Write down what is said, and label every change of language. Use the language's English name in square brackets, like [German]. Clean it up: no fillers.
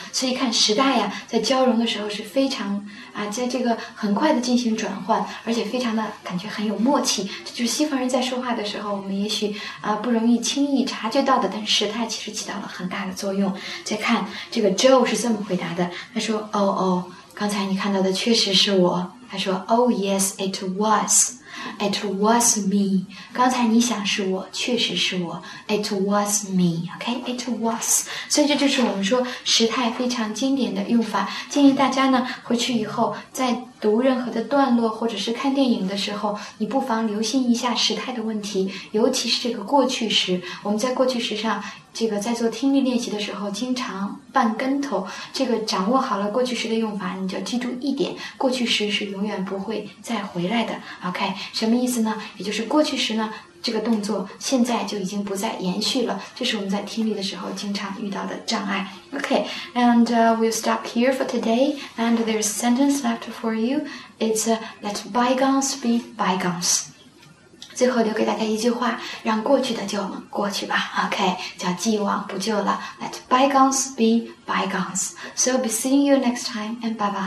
[Chinese] 所以看时代呀，在交融的时候是非常啊，在这个很快的进行转换，而且非常的感觉很有默契。这就是西方人在说话的时候，我们也许啊不容易轻易察觉到的，但时态其实起到了很大的作用。再看这个 Joe 是这么回答的，他说：“哦哦，刚才你看到的确实是我。” 他说 [English] Oh yes, it was. It was me. [Chinese] 刚才你想是我，确实是我。 [English] It was me. Okay, it was. [Chinese] 所以这就是我们说时态非常经典的用法。建议大家呢，回去以后在读任何的段落或者是看电影的时候，你不妨留心一下时态的问题，尤其是这个过去时。我们在过去时上这个在做听力练习的时候经常绊跟头，这个掌握好了过去时的用法，你就记住一点，过去时是永远不会再回来的。 OK， 什么意思呢？也就是过去时呢，这个动作现在就已经不再延续了，这是我们在听力的时候经常遇到的障碍。 [English] OK， and we'll stop here for today, and there's a sentence left for you. It's let bygones be bygones. [Chinese] 最后留给大家一句话，让过去的就过去吧。 [English] OK， [Chinese] 叫既往不咎了。 [English] Let bygones be bygones. So be seeing you next time, and bye bye.